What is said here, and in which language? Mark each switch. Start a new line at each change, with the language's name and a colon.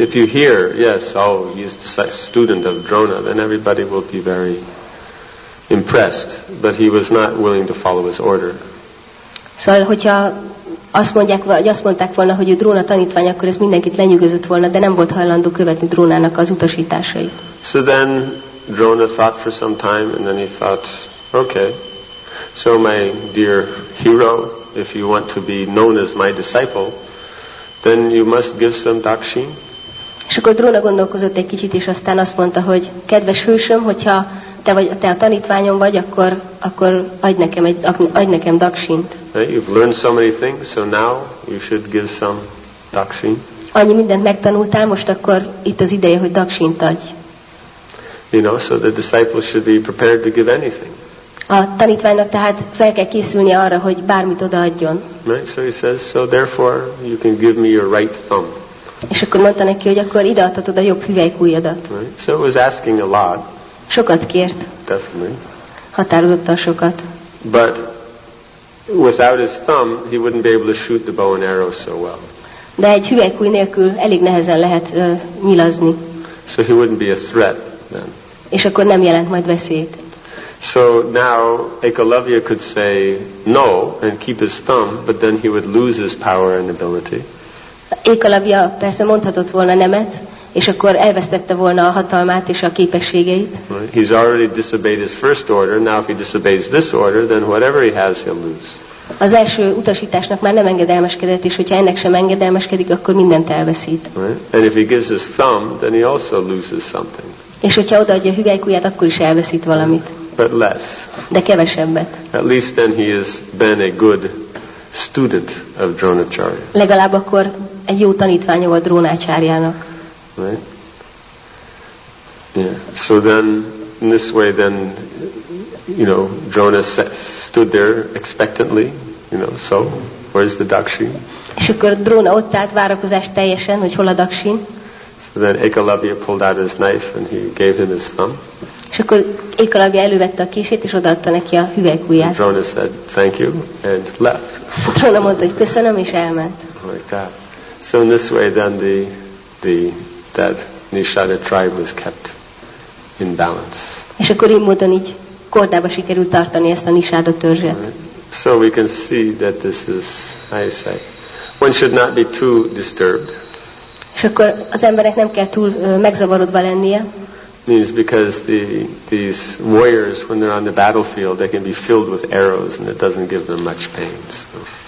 English: If you hear, yes, oh, he is a student of Drona, then everybody will be very impressed. But he was not willing to follow his order.
Hungarian: Szóval, hogyha azt mondják, vagy azt mondták volna, hogy ő Dróna tanítványa, akkor ez mindenkit lenyűgözött volna, de nem volt hajlandó követni Drónának az utasításait.
English: So then Drona thought for some time, and then he thought, okay, so my dear hero, if you want to be known as my disciple, then you must give some dakshin.
Hungarian: És akkor Drona gondolkozott egy kicsit, és aztán azt mondta, hogy kedves hősöm, hogyha te a tanítványom vagy, akkor adj nekem dakshint.
English: You've learned so many things, so now you should give some dakshin.
Hungarian: annyi mindent megtanultál, most akkor itt az ideje, hogy daksint adj.
English: You know, so the disciples should be prepared to give anything.
Hungarian: A tanítványnak tehát fel kell készülni arra, hogy bármit odaadjon.
English: Right, so he says, so therefore you can give me your right thumb.
Hungarian: És akkor mondta neki, hogy akkor ideadhatod a jobb hüvelykujjadat.
English: Right, so it was asking a lot.
Hungarian: Sokat kért.
English: Definitely.
Hungarian: Határozottan sokat.
English: But without his thumb, he wouldn't be able to shoot the bow and arrow so well.
Hungarian: De egy hüvelykujj nélkül elég nehezen lehet nyilazni.
English: So he wouldn't be a threat then.
Hungarian: És akkor nem jelent majd veszélyt.
English: So now Ekalavya could say no and keep his thumb, but then he would lose his power and ability.
Hungarian: Ekalavya persze mondhatott volna nemet, és akkor elvesztette volna a hatalmát és a képességeit.
English: Right. He's already disobeyed his first order. Now if he disobeys this order, then whatever he has, he'll lose.
Hungarian: Az első utasításnak már nem engedelmeskedett, és hogyha ennek sem engedelmeskedik, akkor mindent elveszít.
English: Right. And if he gives his thumb, then he also loses something.
Hungarian: És hogyha odaadja a hüvelykujját, akkor is elveszít valamit.
English: But less.
Hungarian: De kevesebbet.
English: At least then he has been a good student of Dronacharya.
Hungarian: Legalább akkor egy jó tanítványa volt Drónácsárjának.
English: Right. Yeah. So then, in this way, then, you know, Drona stood there expectantly. You know, so where is the dakshin?
Hungarian: És akkor Drona ott állt várakozás teljesen, hogy hol a dakshin?
English: So then Ekalavya pulled out his knife and he gave him his thumb.
Hungarian: És akkor Ekalavya elővette a kését és odaadta neki a hüvelykujját.
English: Drona said thank you and left.
Hungarian: Drona mondta, hogy köszönöm és elment.
English: Like that. So in this way, then that Nishada tribe was kept in balance.
Hungarian: És akkor így módon így kordába sikerült tartani ezt a Nishada törzset.
English: Right. So we can see that this is, how you say, one should not be too disturbed.
Hungarian: És akkor az embernek nem kell túl megzavarodva lennie.
English: Means because these warriors, when they're on the battlefield, they can be filled with arrows and it doesn't give them much pain. So.